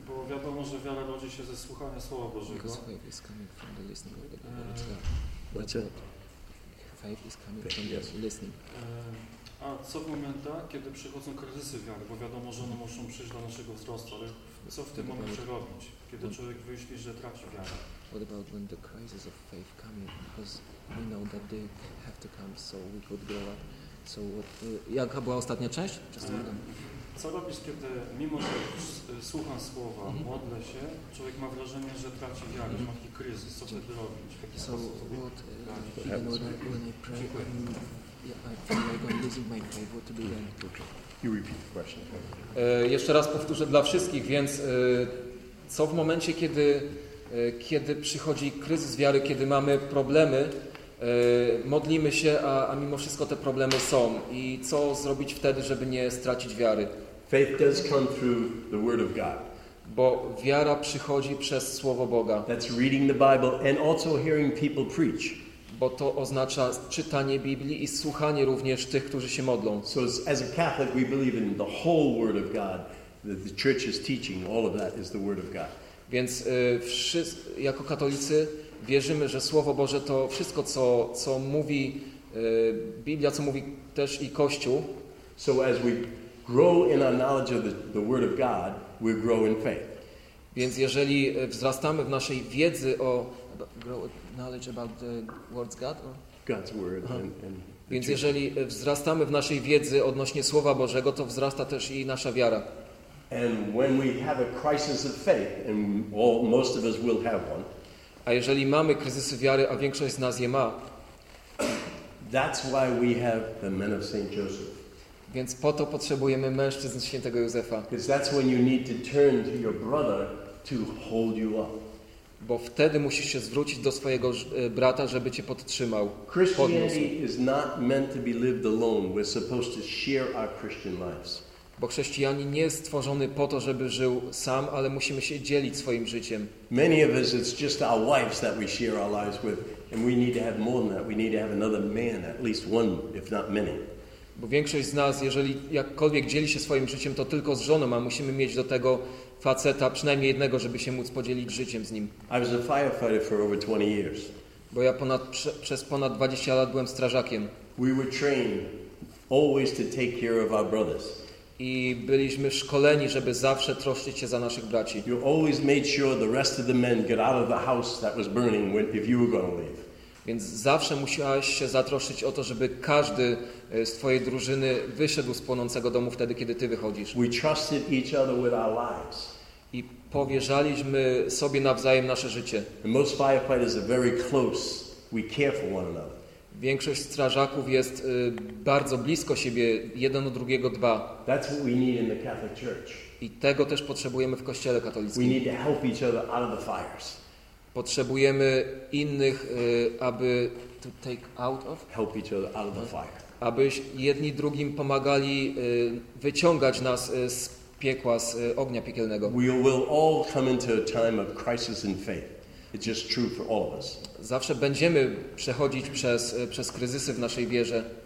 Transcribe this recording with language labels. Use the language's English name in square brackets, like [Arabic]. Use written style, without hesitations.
[Polish] wiadomo, że wiele rodzi się ze słuchania Słowa Bożego. [English] Faith is coming from the listening of the Word. Faith is coming from the listening. [Polish] A co w momentach, kiedy przychodzą kryzysy wiary, bo wiadomo, że one muszą przyjść do naszego wzrostu, ale co w tym momencie robić, kiedy człowiek wyśli, że traci wiarę? [English] What about when the crisis of faith coming? Because we know that they have to come, so we could grow up. So what, [Polish] jaka była ostatnia część? Co robisz, kiedy mimo że słucham słowa, modlę się, człowiek ma wrażenie, że traci wiarę, ma taki kryzys, co wtedy robić? [English] So what when I pray, I feel like I'm losing my faith, what to do then? You repeat the question. [Polish] Jeszcze raz powtórzę dla wszystkich, więc co w momencie, kiedy przychodzi kryzys wiary, kiedy mamy problemy, modlimy się, a mimo wszystko te problemy są. I co zrobić wtedy, żeby nie stracić wiary? [English] Faith does come through the word of God. [Polish] Bo wiara przychodzi przez Słowo Boga. [English] That's reading the Bible and also hearing people preach. [Polish] Bo to oznacza czytanie Biblii i słuchanie również tych, którzy się modlą. [English] So as a Catholic, we believe in the whole word of God. The church is teaching all of that is the word of God. [Polish] Więc jako katolicy wierzymy, że Słowo Boże to wszystko, co mówi Biblia, co mówi też i Kościół. [English] So as we grow in our knowledge of the word of God, we grow in faith. [Polish] Więc jeżeli wzrastamy w naszej wiedzy o [English] grow knowledge about the word of God, God's word and [Polish] więc jeżeli wzrastamy w naszej wiedzy odnośnie Słowa Bożego, to wzrasta też i nasza wiara. [English] And when we have a crisis of faith, and most of us will have one. [Polish] A jeżeli mamy kryzysy wiary, a większość z nas je ma. [English] That's why we have the men of Saint Joseph. [Polish] Więc po to potrzebujemy mężczyzn Świętego Józefa. [English] Because that's when you need to turn to your brother to hold you up. [Polish] Bo wtedy musisz się zwrócić do swojego brata, żeby cię podtrzymał. [English] Christianity is not meant to be lived alone. We're supposed to share our Christian lives. [Polish] Bo chrześcijanin nie jest stworzony po to, żeby żył sam, ale musimy się dzielić swoim życiem. [English] Many of us, it's just our wives that we share our lives with, and we need to have more than that. We need to have another man, at least one, if not many. [Polish] Bo większość z nas, jeżeli jakkolwiek dzieli się swoim życiem, to tylko z żoną, a musimy mieć do tego faceta, przynajmniej jednego, żeby się móc podzielić życiem z nim. [English] I was a firefighter for over 20 years. [Polish] Bo ja przez ponad 20 lat byłem strażakiem. [English] We were trained always to take care of our brothers. [Polish] I byliśmy szkoleni, żeby zawsze troszczyć się za naszych braci. [English] You always made sure the rest of the men get out of the house that was burning when if you were going to leave. [Polish] Więc zawsze musiałeś się zatroszczyć o to, żeby każdy z twojej drużyny wyszedł z płonącego domu wtedy, kiedy ty wychodzisz. [English] We trusted each other with our lives. [Polish] I powierzaliśmy sobie nawzajem nasze życie. [English] And most firefighters are very close. We care for one another. [Polish] Większość strażaków jest bardzo blisko siebie, jeden o drugiego dba. [English] That's what we need in the Catholic Church. [Polish] I tego też potrzebujemy w Kościele katolickim. [English] We need to help each other out of the fires. [Polish] Potrzebujemy innych, aby [English] to take out of? Help each other out of the fire. [Polish] Aby jedni drugim pomagali wyciągać nas z piekła, z ognia piekielnego. [English] We will all come into a time of crisis in faith. It's just true for all of us. [Polish] Zawsze będziemy przechodzić przez kryzysy w naszej wierze.